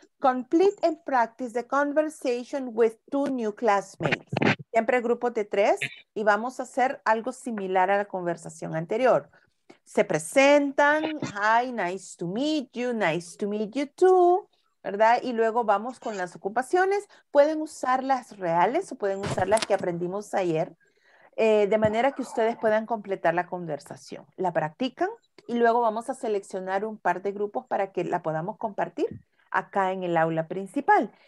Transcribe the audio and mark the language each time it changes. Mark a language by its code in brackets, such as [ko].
[en] Complete and practice the conversation with two new classmates. [es] Siempre grupos de 3 y vamos a hacer algo similar a la conversación anterior. Se presentan, [en] hi, nice to meet you too. [es] ¿Verdad? Y luego vamos con las ocupaciones. Pueden usar las reales o pueden usar las que aprendimos ayer. de manera que ustedes puedan completar la conversación. La practican y luego vamos a seleccionar un par de grupos para que la podamos compartir acá en el aula principal.